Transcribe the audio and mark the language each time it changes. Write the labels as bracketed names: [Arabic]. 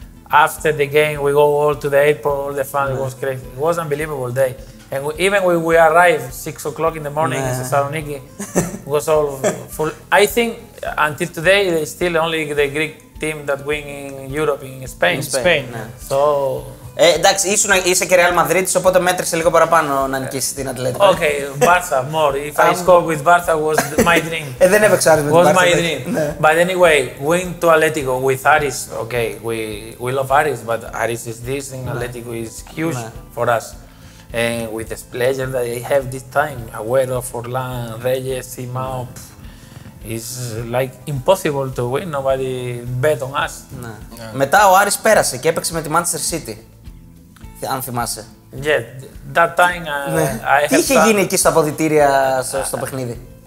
[English] After the game, we go all to the airport. All the fans was crazy. It was an unbelievable day. And even when we arrived 6 o'clock in the morning in Thessaloniki, was all full. I think until today, there's still only the Greek team that win in Europe, in Spain. So... [Greek] Εντάξει, είσαι και Real Madrid, οπότε μέτρησε λίγο παραπάνω να νικήσει την Ατλέτικο. [English] Οκ, Barca, more. If I score with Barca, was my dream. [Greek] Δεν έπαιξα Άρης με την [English] Barca. Was my dream. But anyway, win to Atletico with Aris, okay, we love Aris, but Aris is this and Atletico is huge for us. And with the pleasure that they have this time, Aguero, Forlan, Reyes, Simao, it's like impossible to win. Nobody bet on us. [Greek] Μετά ο Άρης πέρασε και έπαιξε με τη Manchester City. Αν θυμάσαι. [English] Yeah, that time I [Greek] τι είχε γίνει εκεί στα αποδυτήρια στο παιχνίδι?